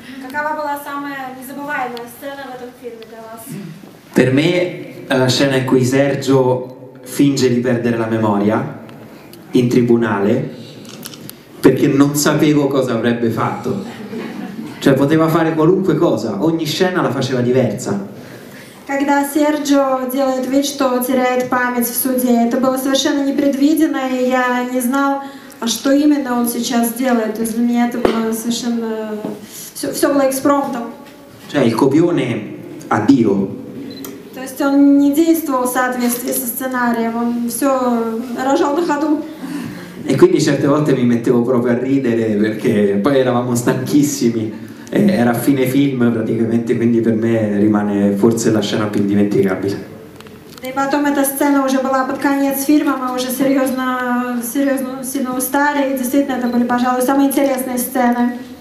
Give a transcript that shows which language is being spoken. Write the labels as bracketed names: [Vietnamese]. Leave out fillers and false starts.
[Russian] Какова была самая незабываемая сцена в этом фильме для вас? [Italian] Per me la scena in cui Sergio finge di perdere la memoria in tribunale perché non sapevo cosa avrebbe fatto. Cioè poteva fare qualunque cosa, ogni scena la faceva diversa. [Russian] Когда Серджио делает вид, что теряет память в суде, это было совершенно непредвиденно, и я не знал, что именно он сейчас делает. То есть для меня это было совершенно... Все было экспромтом. [Italian] Cioè il copione addio. [Russian] То есть он не действовал в соответствии со сценарием, он все рожал на ходу. [Italian] E quindi certe volte mi mettevo proprio a ridere perché poi eravamo stanchissimi, era fine film praticamente, quindi per me rimane forse la scena più indimenticabile. E poi questa scena già era [Russian] под конец фильма, мы уже серьезно сильно устали, и действительно это были, пожалуй, самые интересные сцены.